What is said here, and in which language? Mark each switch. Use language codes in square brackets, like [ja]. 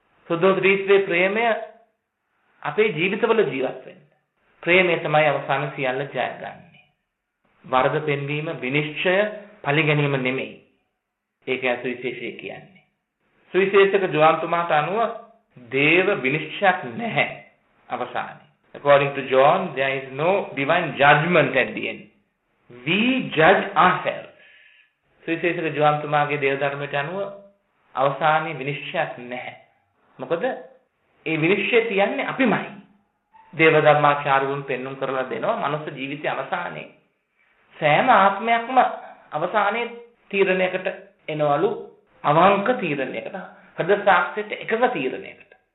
[si] සුද්ධෝත්‍රිත්වයේ ප්‍රේමය අපේ ජීවිතවල ජීවත් වෙන්න. ප්‍රේමය තමයි අවසාන සියල්ල ජයගන්නේ. වරද පෙන්වීම විනිශ්චය පිළිගැනීම නෙමෙයි. ඒක ඇසු විශේෂය කියන්නේ. සුවිශේෂක ජෝන්තුමාට අනුව දේව විනිශ්චයක් නැහැ අවසානයේ. [en] According to John, there is no divine judgment at the end. We judge ourselves. [si] සුවිශේෂක ජෝහන්තුමාගේ දේව ධර්මයට අනුව අවසානයේ විනිශ්චයක් නැහැ. මොකද ඒ විනිශ්චය තියන්නේ අපිමයි. දේව ධර්මාචාර්යවරුන් පෙන්නුම් කරලා දෙනවා මනුස්ස ජීවිතයේ අවසානයේ සෑම ආත්මයක්ම අවසානයේ තීරණයකට එනවලු අවංක තීරණයකට හද සාක්ෂියට එකම තීරණයකට.